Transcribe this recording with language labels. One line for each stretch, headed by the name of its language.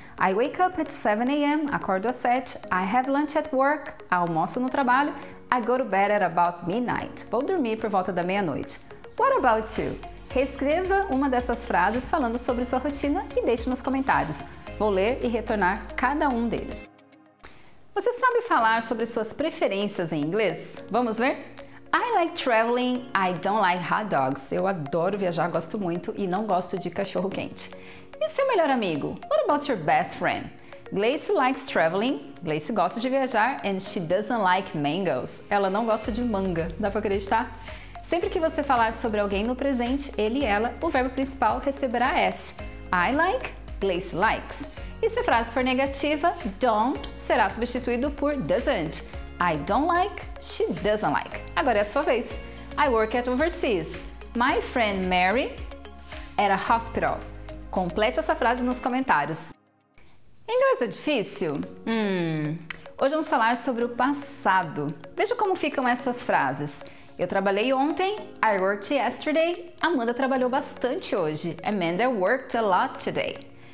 English: I wake up at 7 a.m.,
Portuguese: acordo às 7,
English: I have lunch at work,
Portuguese: almoço no trabalho,
English: I go to bed at about midnight,
Portuguese: vou dormir por volta da meia-noite.
English: What about you?
Portuguese: Reescreva uma dessas frases falando sobre sua rotina e deixe nos comentários. Vou ler e retornar cada um deles. Você sabe falar sobre suas preferências em inglês? Vamos ver?
English: I like traveling, I don't like hot dogs.
Portuguese: Eu adoro viajar, gosto muito e não gosto de cachorro quente. E seu melhor amigo?
English: What about your best friend? Gleice likes traveling,
Portuguese: Gleice gosta de viajar,
English: and she doesn't like mangoes.
Portuguese: Ela não gosta de manga, dá pra acreditar? Sempre que você falar sobre alguém no presente, ele e ela, o verbo principal receberá S.
English: I like, Gleice likes.
Portuguese: E se a frase for negativa, don't será substituído por doesn't.
English: I don't like, she doesn't like.
Portuguese: Agora é a sua vez.
English: I work at overseas. My friend Mary at a hospital.
Portuguese: Complete essa frase nos comentários. Inglês é difícil? Hoje vamos falar sobre o passado. Veja como ficam essas frases. Eu trabalhei ontem,
English: I worked yesterday,
Portuguese: Amanda trabalhou bastante hoje,
English: Amanda worked a lot today.